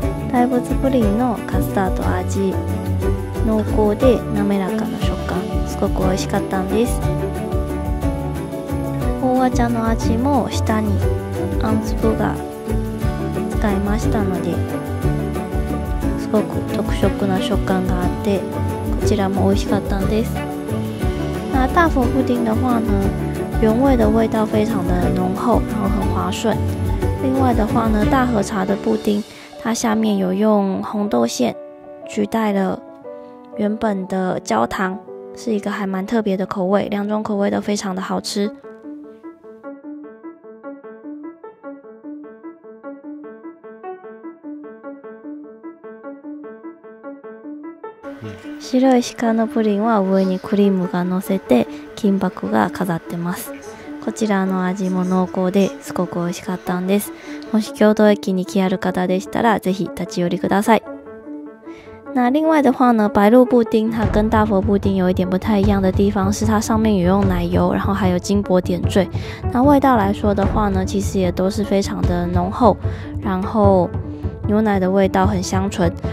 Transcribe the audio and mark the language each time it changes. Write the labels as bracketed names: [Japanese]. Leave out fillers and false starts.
[Japanese] 大仏プリンのカスタード味、濃厚で滑らかな食感、すごく美味しかったんです。大和茶の味も下にあん粒が使いましたので、すごく特色な食感があって、こちらも美味しかったんです。 [Chinese] 那大佛布丁的话呢，原味的味道非常的浓厚，然后很滑顺。另外的话呢，大和茶的布丁，它下面有用红豆馅取代了原本的焦糖，是一个还蛮特别的口味，两种口味都非常的好吃。 [Japanese] 白い鹿のプリンは上にクリームが乗せて金箔が飾ってます。こちらの味も濃厚ですごく美味しかったんです。もし京都駅に来ある方でしたら、ぜひ立ち寄りください。 [Chinese] 那另外的话呢，白露布丁它跟大佛布丁有一点不太一样的地方是，它上面有用奶油，然后还有金箔点缀。那味道来说的话呢，其实也都是非常的浓厚，然后牛奶的味道很香醇。